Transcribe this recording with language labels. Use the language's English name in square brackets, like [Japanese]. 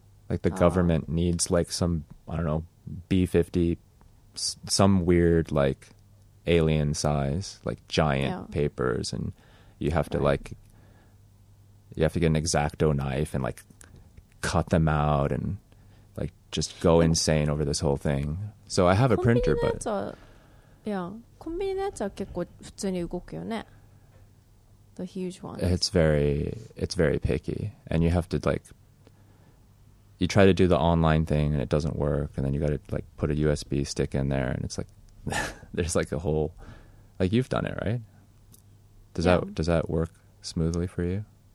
[English] Like the government needs like some, I don't know, B50, some weird like alien size, like giant papers. And you have to like, you have to get an X-Acto knife and like, cut them out and like just go insane over this whole thing. So I have a printer, but [Japanese] yeah, コンビニのやつは結構普通に動くよね。 [English] The huge one. It's very picky, and you have to like, you try to do the online thing and it doesn't work, and then you got to like put a USB stick in there, and it's like there's like a whole, like you've done it, right? Does that work smoothly for you?